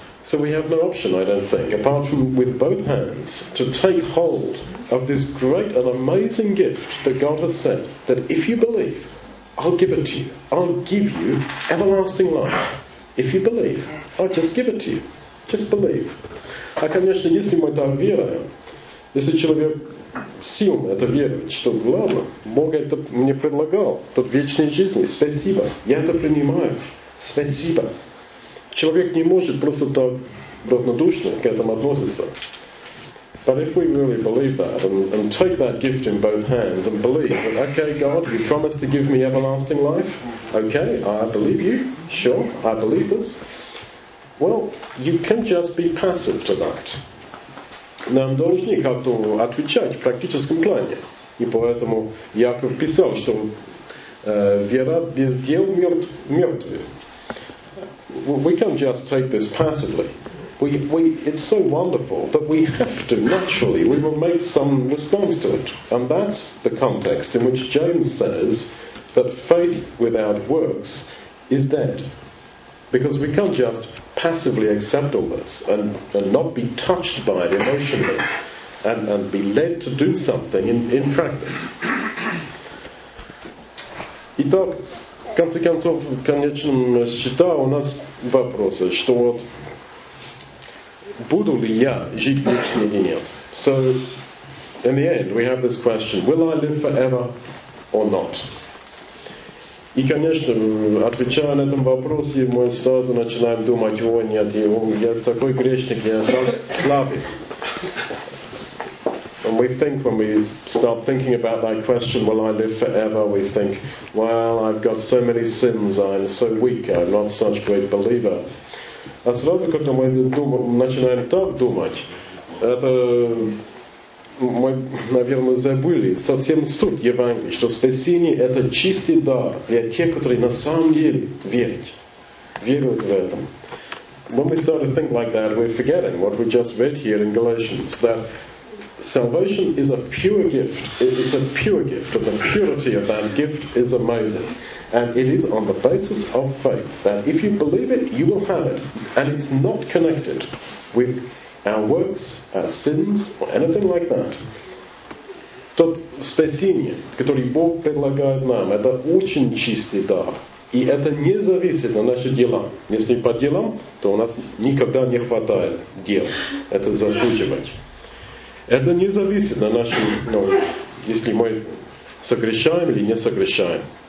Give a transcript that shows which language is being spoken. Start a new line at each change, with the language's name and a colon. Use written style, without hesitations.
English: So we have no option, I don't think, apart from with both hands to take hold of this great and amazing gift that God has sent, that if you believe, I'll give it to you. I'll give you everlasting life. If you believe, I'll just give it to you. Just believe.
Russian: А, конечно, если мы так верим, если человек сильно это верит, что главное, Бог это мне предлагал, тот вечной жизни, спасибо, я это принимаю, спасибо. Человек не может просто так равнодушно к этому относиться.
English: But if we really believe that and take that gift in both hands and believe that, okay, God, you promised to give me everlasting life, okay, I believe you, sure, I believe this, well, you can just be passive to that.
Russian: Нам должны как-то отвечать в практическом плане. И поэтому Яков писал, что вера без дел мертвая.
English: we can't just take this passively. We it's so wonderful that we have to naturally, we will make some response to it. And that's the context in which James says that faith without works is dead. Because we can't just passively accept all this and not be touched by it emotionally and be led to do something in practice.
Russian: Итак, в конце концов, в конечном счете у нас вопросы, что вот буду ли я жить вечно или нет?
English: So, in the end, we have this question, will I live forever or not?
Russian: И, конечно, отвечая на этот вопрос, мы сразу начинаем думать, о нет, я такой грешник, я так слабый.
English: And we think when we start thinking about that question, will I live forever? We think, well, I've got so many sins, I'm so weak, I'm not such a great believer.
Russian: А сразу, когда мы начинаем так думать, это мы, наверное, забыли совсем суть Евангелия, что спасение – это чистый дар для тех, которые на самом деле веруют в это.
English: When we start to think like that, we're forgetting what we just read here in Galatians, that salvation is a pure gift. It's a pure gift, and the purity of that gift is amazing. And it is on the basis of faith that if you believe it, you will have it. And it's not connected with our works, our sins, or anything like that.
Russian: Тот спасение, который Бог предлагает нам, это очень чистый дар. И это не зависит на наши дела. Если по делам, то у нас никогда не хватает дел. Это заслуживать. Это не зависит на нашем, ну, если мы согрешаем или не согрешаем.